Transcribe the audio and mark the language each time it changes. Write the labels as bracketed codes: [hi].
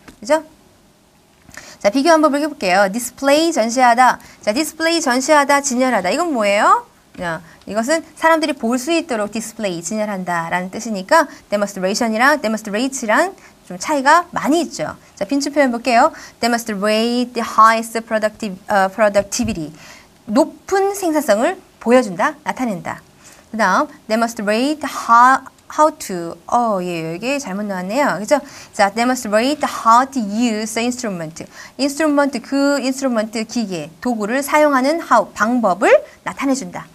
[ko] 그죠? 자, 비교 한번 볼게요. display, 전시하다. 자, display, 전시하다, 진열하다. 이건 뭐예요? 이것은 사람들이 볼 수 있도록 display, 진열한다. 라는 뜻이니까, demonstration이랑 demonstrate랑 좀 차이가 많이 있죠. 자, 빈칸 표현 볼게요. [en] demonstrate the highest productivity. [ko] 높은 생산성을 보여준다, 나타낸다. 그 다음, demonstrate how to, 이게 잘못 나왔네요. 그죠? 자, [en] demonstrate how to use the instrument. [ko] instrument, 기계, 도구를 사용하는 how, 방법을 나타내준다.